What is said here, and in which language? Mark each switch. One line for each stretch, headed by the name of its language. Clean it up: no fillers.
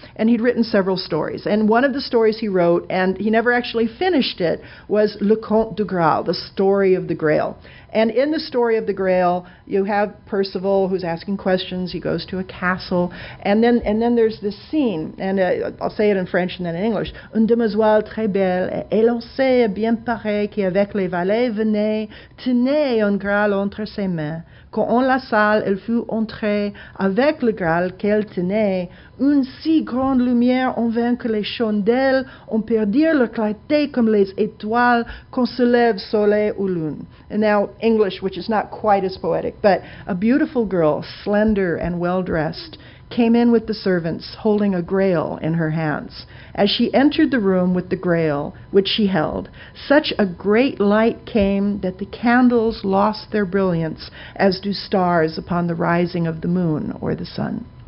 English: And he'd written several stories. And one of the stories he wrote, and he never actually finished it, was Le Conte du Graal, the story of the Grail. And in the story of the Grail, you have Percival who's asking questions. He goes to a castle. And then there's this scene, and I'll say it in French and then in English.
French: Une demoiselle très belle, élancée et bien parée, qui avec les valets venait, tenait un Graal entre ses mains. Quand on la salle, elle fut entrée avec le Graal qu'elle tenait. Une si grande lumière en vint que les chandelles ont perdu leur clarté comme les étoiles qu'on se lève soleil ou lune.
English: And now English, which is not quite as poetic, but a beautiful girl, slender and well-dressed, came in with the servants, holding a grail in her hands. As she entered the room with the grail, which she held, such a great light came that the candles lost their brilliance, as do stars upon the rising of the moon or the sun.